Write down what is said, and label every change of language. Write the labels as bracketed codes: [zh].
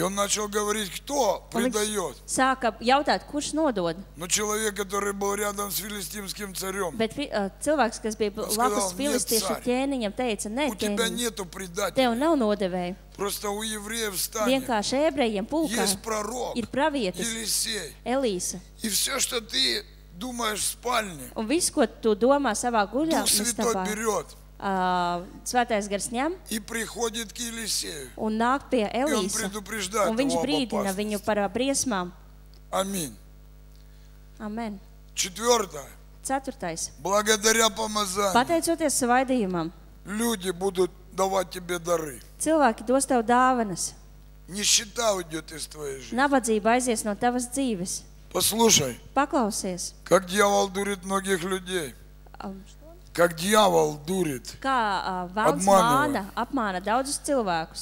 [ru] И он начал говорить, кто предаёт. [lv] Sāka jautāt, kurš nodod. [ru] Но человек, который был рядом с филистимским царём. [lv] Bet cilvēks, kas bija blakus filistiešu ķēniņam, teica: "Nē, [ru] у тебя нету предателей. [lv] Tev nav nodevēju. [ru] Просто у евреев стане. [lv] Vienkārši ebrejiem pulkā. [ru] Есть пророк. [lv] Ir pravietis. [ru] Елисей. [lv] Элиса. [ru] И всё, что ты думаешь в спальне. [lv] Un viss, ko tu domā savā guļā, [ru] Дух Святой берёт. [lv] Svētais Gars ņem [ru] и приходит к Елисею. [lv] Un nāk pie Elīsa. [ru] И он предупреждает. [lv] Un viņš brīdina viņu par briesmām. [ru] Аминь. [lv] Amen. [ru] Четвёртое. [lv] Ceturtais. [ru] Благодаря помазанию. [lv] Pateicoties svaidījumam. [ru] Люди будут давать тебе дары. [lv] Cilvēki dos tev dāvanas. [ru] Нищета уйдёт из твоей жизни. [lv] Nabadzība aizies no tavas dzīves. [ru] Послушай. [lv] Paklausies. [ru] Как дьявол дурит многих людей. Как дьявол дурит. [lv] Kā vēls māna apmāna daudzus cilvēkus.